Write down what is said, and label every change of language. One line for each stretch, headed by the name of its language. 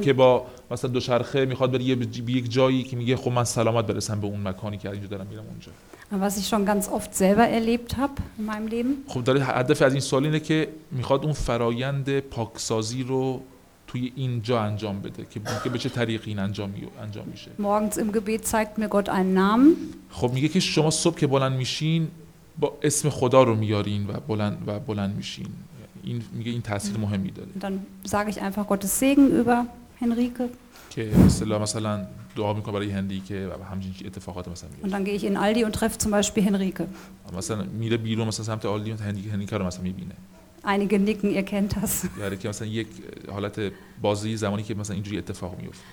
Persian: که با مثلا دو شرخه میخواد بره به یک جایی که میگه خب من سلامت برسم به اون مکانی که اینجا دارم میرم اونجا
German: was ich schon ganz oft selber erlebt habe in meinem leben
Persian: خب داره هدف از این سوال اینه که میخواد اون فرایند پاکسازی رو توی اینجا انجام بده که به چه طریقی این انجام میشه
German: morgens im gebet zeigt mir gott einen namen
Persian: خب میگه که شما صبح که بلند میشین با اسم خدا رو میارین و بلند میشین این میگه این تاثیر مهمی داره
German: dann sage ich einfach gottes segen über henrike
Persian: که مثلا دعا میکنه برای هنریک و همچین اتفاقات مثلا میفته
German: und dann gehe ich in aldi und treffe zum beispiel henrike
Persian: مثلا میره بیرون مثلا سمت aldi و هنریک رو مثلا میبینه
German: einige nicken ihr kennt das
Persian: ja که مثلا یک حالت بازی زمانی که مثلا اینجوری اتفاق میفته